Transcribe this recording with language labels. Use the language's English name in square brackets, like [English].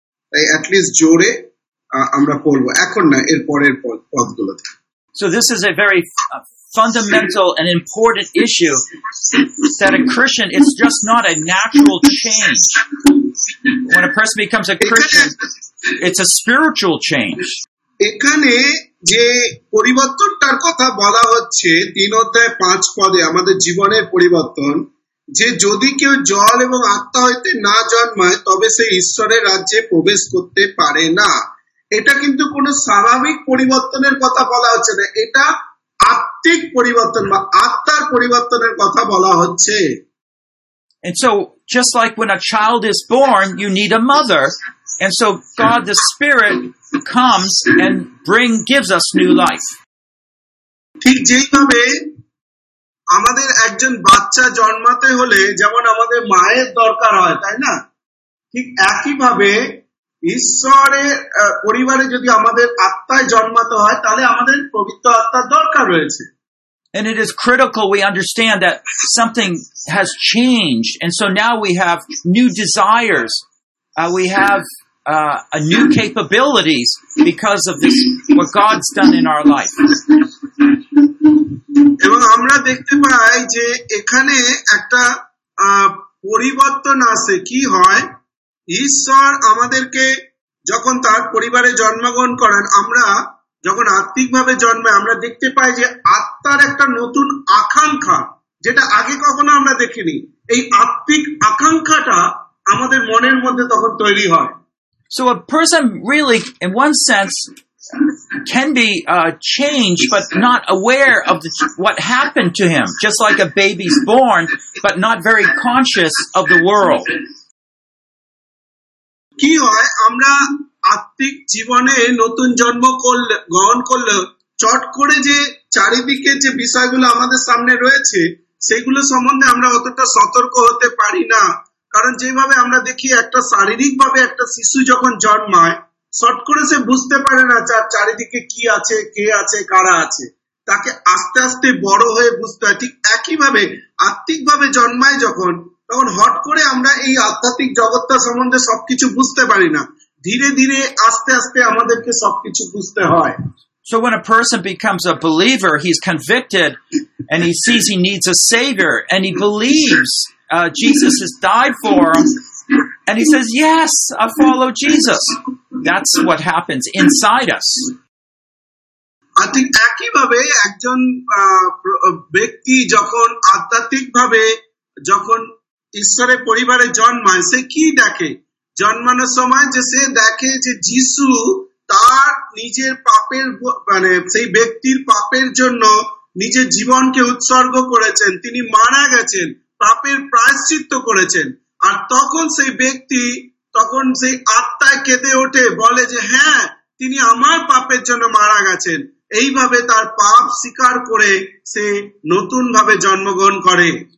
[Bangla] তাই at least জোরে আমরা পড়বো, এখন না এর পরের পদগুলো। [English] So this is a very fundamental and important issue that a Christian, it's just not a natural change. When a person becomes a Christian, it's a spiritual change. [Bangla] এখানে যে পরিবর্তনটার কথা বলা হচ্ছে তিন অধ্যায় পাঁচ পদে, আমাদের জীবনের পরিবর্তন, যে যদি কেউ জল এবং আত্মা হইতে না জন্মায় তবে সে ঈশ্বরের রাজ্যে প্রবেশ করতে পারে না। এটা কিন্তু কোন স্বাভাবিক পরিবর্তনের কথা বলা হচ্ছে না, এটা আত্মিক পরিবর্তন বা আত্মার পরিবর্তনের কথা বলা হচ্ছে। [English] And so just like when a child is born, you need a mother. And so God the Spirit comes and gives us new life. [Bangla] ঠিক যেভাবে আমাদের একজন বাচ্চা জন্মাতে হলে যেমন আমাদের মায়ের দরকার হয়, তাই না? ঠিক একইভাবে ঈশ্বরের পরিবারে যদি আমাদের আত্মায় জন্মাতে হয় তাহলে আমাদের পবিত্র আত্মার দরকার রয়েছে। [English] And it is critical we understand that something has changed, and so now we have new desires, we have a new capabilities because of this, what God's done in our life. [Bangla] এবং আমরা দেখতে পাই যে এখানে একটা পরিবর্তন আছে। কি হয়? ঈশ্বর আমাদেরকে যখন তার পরিবারে জন্মগ্রহণ করেন, আমরা যখন আত্মিকভাবে জন্মে আমরা দেখতে পাই যে আত্মার একটা নতুন আকাঙ্ক্ষা, যেটা আগে কখনো আমরা দেখিনি, এই আত্মিক আকাঙ্ক্ষাটা আমাদের মনের মধ্যে তখন তৈরি হয়। [English] So a person really, in one sense, can be changed but not aware of what happened to him, just like a baby's born but not very conscious of the world. [Bangla] কি হয়, আমরা আত্মিক জীবনে নতুন জন্ম করলে, গ্রহণ করলে, চট করে যে চারিদিকে যে বিষয়গুলো আমাদের সামনে রয়েছে সেগুলো সম্বন্ধে আমরা অতটা সতর্ক হতে পারি না, কারণ যেভাবে আমরা দেখি একটা শারীরিক ভাবে একটা শিশু যখন জন্মায় চট করে সে বুঝতে পারে না তার চারিদিকে কি আছে, কে আছে, কারা আছে, তাকে আস্তে আস্তে বড় হয়ে বুঝতে হয়। ঠিক একইভাবে আত্মিক ভাবে জন্মায় যখন, তখন হট করে আমরা এই আধ্যাত্মিক জগৎটা সম্বন্ধে সবকিছু বুঝতে পারি না, ধীরে ধীরে আস্তে আস্তে আমাদেরকে সবকিছু বুঝতে হয়। [English] So when a person becomes a believer, he's convicted and he sees he needs a savior and he believes Jesus has died for him and he says, yes, I follow Jesus. That's what happens inside us. I think [Bangla] একইভাবে একজন ব্যক্তি যখন আধ্যাত্মিকভাবে যখন ঈশ্বরের পরিবারে জন্মায় সে কি দেখে? জন্মানোর সময় যে সে দেখে যে যীশু তার নিজের পাপের, মানে সেই ব্যক্তির পাপের জন্য নিজের জীবনকে উৎসর্গ করেছেন, তিনি মারা গেছেন, পাপের প্রায়শ্চিত্ত করেছেন, আর তখন সেই ব্যক্তি তখন সেই আত্মায় কেঁদে ওঠে, বলে যে হ্যাঁ তিনি আমার পাপের জন্য মারা গেছেন, এইভাবে তার পাপ স্বীকার করে সে নতুন ভাবে জন্মগ্রহণ করে।